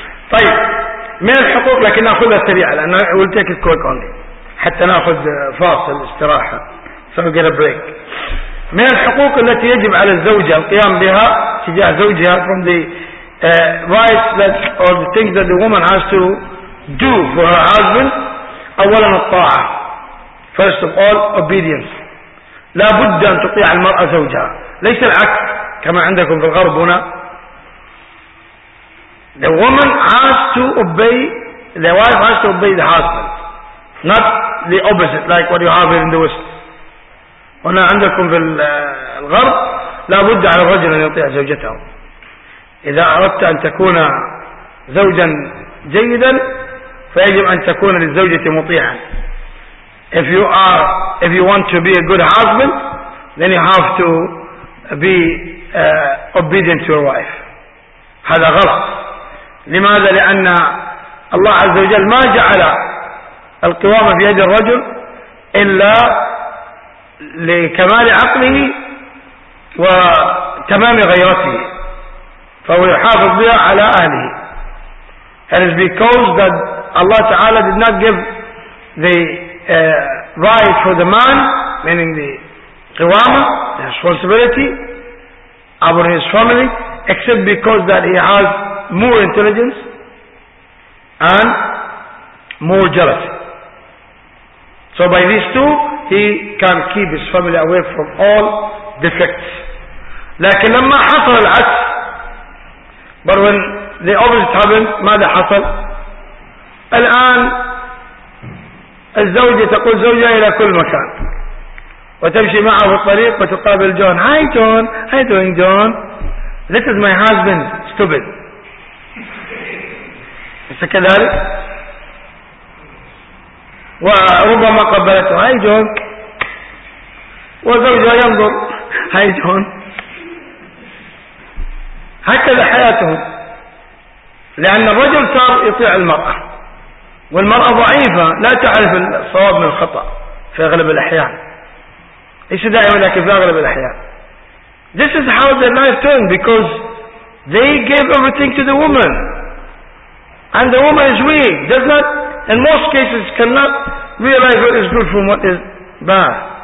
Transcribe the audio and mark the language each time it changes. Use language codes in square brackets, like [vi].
[ar] طيب, ما الحقوق لكن نأخذها سريعة لأن [en] we'll take it quick only. [ar] حتى نأخذ فاصل استراحة. [en] So we'll get a break. [ar] ما الحقوق التي يجب على الزوجة القيام بها تجاه زوجها, [en] from the rights that or the things that the woman has to do for her husband. [ar] أولا الطاعة. [en] First of all, obedience. [ar] لا بد أن تطيع المرأة زوجها, ليس العكس كما عندكم في الغرب هنا. [en] The woman has to obey, the wife has to obey the husband, not the opposite like what you have here in the West. [ar] هنا عندكم في الغرب لا بد على الرجل أن يطيع زوجته. إذا أردت أن تكون زوجا جيدا فيجب أن تكون للزوجة مطيعا. [en] If you want to be a good husband, then you have to be obedient to your wife. [ar] هذا غلط. لماذا؟ لأن الله عز وجل ما جعل القوامة في يد الرجل إلا لكمال عقله وتمام غيرته, فهو يحافظ بها على أهله. [en] It is because that Allah Ta'ala did not give the right for the man, meaning the qiwama, the responsibility over his family, except because that he has more intelligence and more jealousy. So by these two, he can keep his family away from all defects. [ar] لكن لما حصل العكس, [en] but when the opposite happened, [ar] ماذا حصل؟ الآن الزوجة تقول زوجها إلى كل مكان وتمشي معه في الطريق وتقابل جون. [en] Hi John, how you doing John? This is my husband, stupid. [ar] ليس كذلك؟ وربما قبلته. [en] Hi John. [ar] وزوجها ينظر. Hi John. هكذا حياتهم, لأن الرجل صار يطيع المرأة والمرأة ضعيفة لا تعرف الصواب من الخطأ في أغلب الأحيان. ليش دائما لكن في أغلب الأحيان. [en] This is how their life turned because they gave everything to the woman and the woman is weak, does not in most cases cannot realize what is good from what is bad.